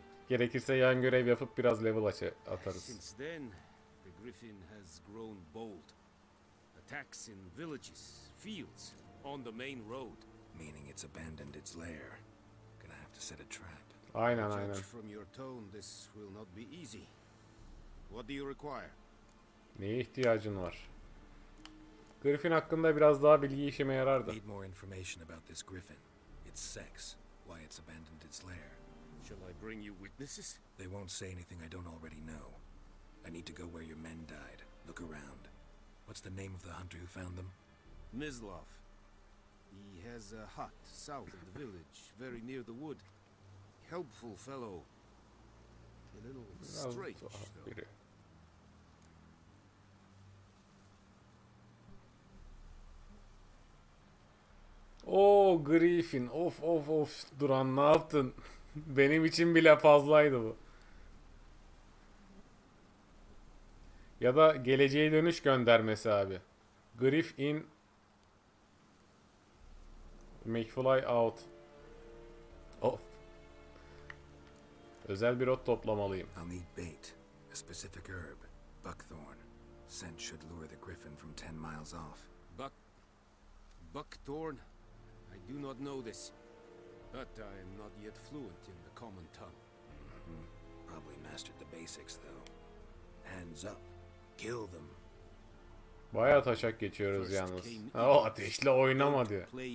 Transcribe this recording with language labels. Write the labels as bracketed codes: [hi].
[tr] Gerekirse yan görev yapıp biraz level atarız. [en] Since then, the Griffin has grown bold. Attacks in villages, fields, on the main road. Meaning it's abandoned its lair. Gonna have to set a trap. [tr] Aynen, aynen. [en] From your tone, this will not be easy. What do you require? [tr] Neye ihtiyacın var? Griffin hakkında biraz daha bilgi işime yarardı. [en] Need more information about this griffin. Its sex. Why it's abandoned its lair. Shall I bring you witnesses? They won't say anything I don't already know. I need to go where your men died. Look around. What's the name of the hunter who found them? Mislav. He has a hut south of the village, very near the wood. Helpful fellow. A little strange, though. [tr] Oh, Griffin. Of, of, of. Duran, ne yaptın? Benim için bile fazlaydı bu. Ya da geleceğe dönüş göndermesi abi. Griff in... McFly out. Of. Özel bir ot toplamalıyım. [en] I'll need bait. A specific herb. Buckthorn. Scent should lure the griffin from 10 miles off. Buckthorn? I do not know this. But I am not yet fluent in the common tongue. Mm-hmm. Probably mastered the basics though. Hands up. Kill them. [tr] Bayağı taşak geçiyoruz yalnız. O ateşle oynama diyor.